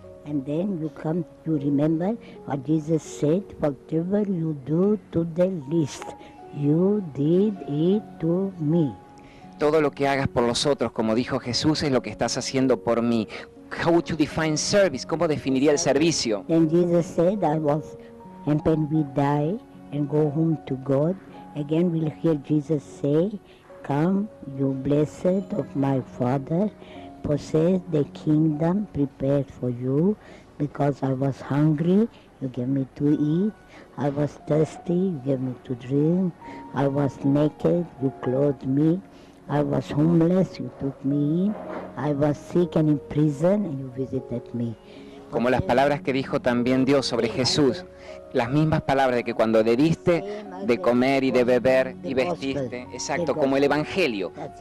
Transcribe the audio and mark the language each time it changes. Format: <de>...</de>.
<en>And then you come to remember what Jesus said, whatever you do to the least, you did it to me.</en> <es>Todo lo que hagas por los otros, como dijo Jesús, es lo que estás haciendo por mí.</es> <en>How would you define service?</en> <es>¿Cómo definiría el servicio?</es> <en>Then Jesus said, I was, and when we die and go home to God, again we'll hear Jesus say, come, you blessed of my Father, possess the kingdom prepared for you, because I was hungry, you gave me to eat, I was thirsty, you gave me to drink, I was naked, you clothed me, I was homeless, you took me in, I was sick and in prison, and you visited me.</en> <es>Como las palabras que dijo también Dios sobre Jesús, las mismas palabras de que cuando le diste de comer y de beber y vestiste, exacto, como el Evangelio.</es>